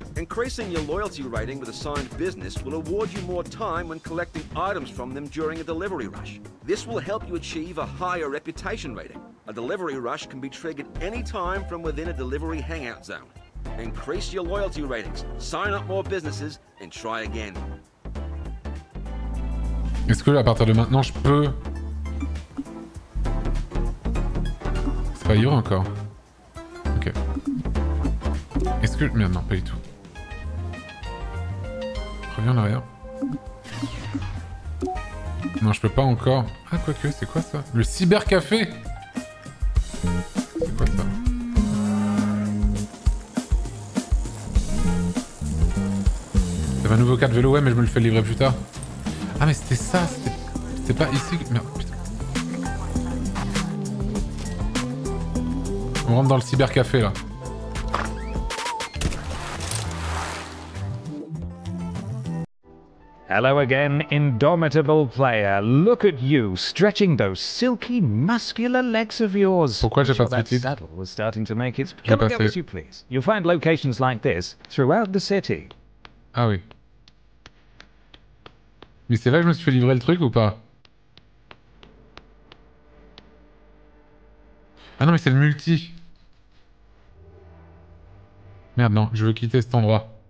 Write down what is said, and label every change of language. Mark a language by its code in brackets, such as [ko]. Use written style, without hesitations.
[en] Increasing your loyalty rating with a signed business will award you more time when collecting items from them during a delivery rush. This will help you achieve a higher reputation rating. A delivery rush can be triggered any time from within a delivery hangout zone. Increase your loyalty ratings, sign up more businesses, and try again. [fr] Est-ce que à partir de maintenant je peux... C'est pas hier encore. Ok. Est-ce que... Mais non, pas du tout. Reviens en arrière. Non, je peux pas encore. Ah, quoique, c'est quoi ça? Le cybercafé! C'est quoi ça? C'est un nouveau cas de vélo, ouais, mais je me le fais livrer plus tard. Ah, mais c'était ça, c'était... C'est pas ici que... Merde, putain. On rentre dans le cybercafé, là. [en] Hello again, indomitable player. Look at you, stretching those silky, muscular legs of yours. [fr] Pourquoi j'ai pas de [en] petite? That saddle was starting to make its... Come and go as you please. You'll find locations like this throughout the city. [fr] Ah oui. Mais c'est là que je me suis fait livrer le truc ou pas? Ah non, mais c'est le multi. Merde, non, je veux quitter cet endroit.